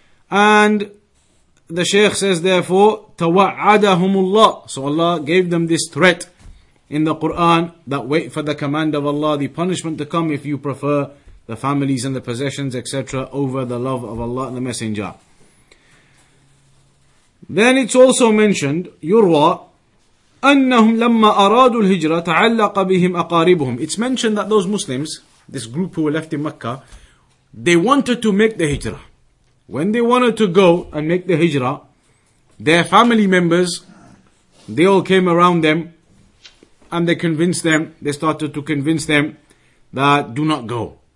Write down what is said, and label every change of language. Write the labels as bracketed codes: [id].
[en] And the Shaykh says, therefore, tawa'adahumullah. So Allah gave them this threat in the Quran that wait for the command of Allah, the punishment to come if you prefer the families and the possessions, etc., over the love of Allah and the Messenger. Then it's also mentioned, [ar] yurwa, أنهم لما أرادوا الهجرة تعلق بهم أقاربهم. [en] It's mentioned that those Muslims, this group who were left in Mecca, they wanted to make the hijrah. When they wanted to go and make the hijrah, their family members, they all came around them and they convinced them, they started to convince them that do not go.